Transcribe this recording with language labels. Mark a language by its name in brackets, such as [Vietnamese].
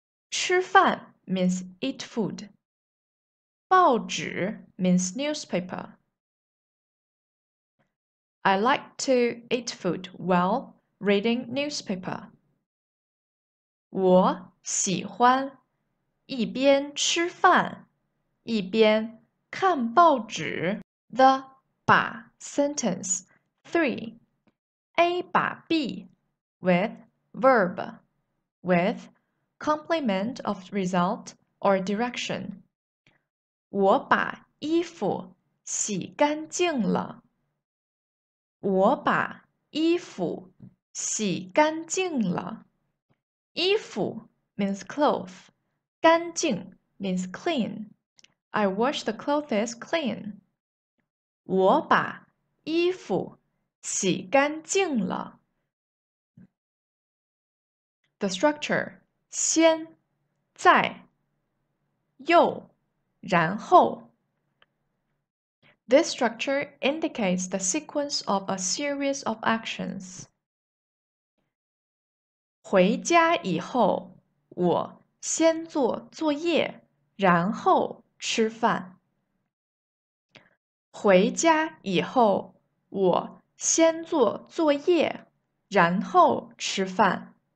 [English] 吃饭 means eat food. 报纸 means newspaper. I like to eat food while reading newspaper. [Chinese] 我喜欢一边吃饭一边看报纸。 [English] The 把 sentence 3. A 把 B with verb with complement of result or direction. [Chinese] 我把衣服洗干净了。我把衣服洗干净了。 [English] 衣服 means cloth. 干净 means clean. I wash the clothes clean. [Chinese] 我把衣服洗干净了。 [English] The structure 先再又然后。 This structure indicates the sequence of a series of actions. [Chinese] 回家以后，我先做作业，然后吃饭。回家以后，我先做作业，然后吃饭。